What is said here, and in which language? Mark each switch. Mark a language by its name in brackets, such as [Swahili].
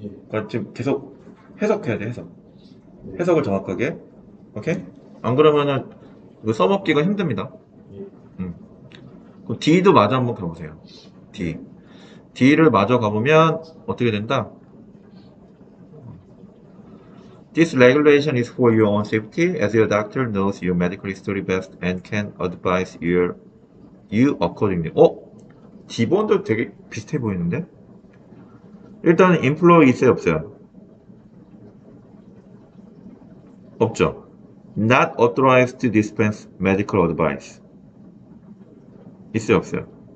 [Korean] 그러니까 지금 계속 해석해야 돼, 해석. 해석을 정확하게. 오케이? 안 그러면은 이거 써먹기가 힘듭니다. 그럼 D도 마저 한번 가보세요. D. D를 마저 가보면 어떻게 된다? [English] This regulation is for your own safety, as your doctor knows your medical history best and can advise you accordingly. [Korean] 기본도 되게 비슷해 보이는데? 일단은 employee 있어요, 없어요? 없죠. [English] Not authorized to dispense medical advice. [Korean] 있어요, 없어요?